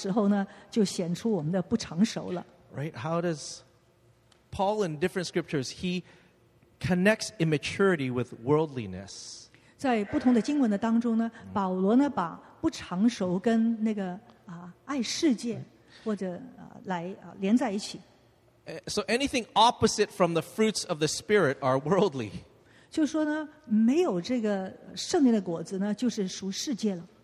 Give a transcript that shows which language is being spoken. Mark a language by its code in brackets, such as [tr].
[zh] 那没有这些果子结出来的时候呢，就显出我们的不成熟了。 [en] Right? How does Paul in different scriptures, he connects immaturity with worldliness. [zh] 在不同的经文的当中呢，保罗呢把不成熟跟那个爱世界或者来连在一起。 [en] So anything opposite from the fruits of the Spirit are worldly. [zh] 就说呢，没有这个圣灵的果子呢，就是属世界了。